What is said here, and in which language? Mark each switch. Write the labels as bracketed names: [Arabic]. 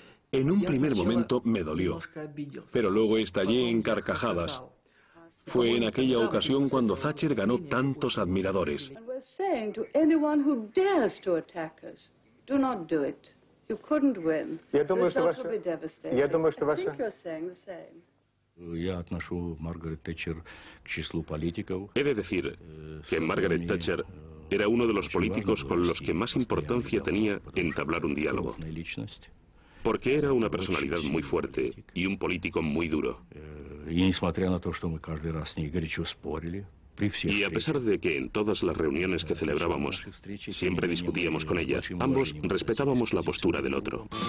[Spanish] En un primer momento me dolió, pero luego estallé en carcajadas. Fue en aquella ocasión cuando Thatcher ganó tantos admiradores. [English] And we're saying to anyone who dares to attack us, do not do it. You couldn't win. [Russian] Я думаю, что ваша... Я думаю, что ваша... Я отношу Маргарет Тэтчер к числу политиков. [Spanish] He de decir que Margaret Thatcher era uno de los políticos con los que más importancia tenía entablar un diálogo. Porque era una personalidad muy fuerte y un político muy duro. [Russian] Y несмотря на то, что мы каждый раз с ней горячо спорили, [Spanish] y a pesar de que en todas las reuniones que celebrábamos, siempre discutíamos con ella, ambos respetábamos la postura del otro.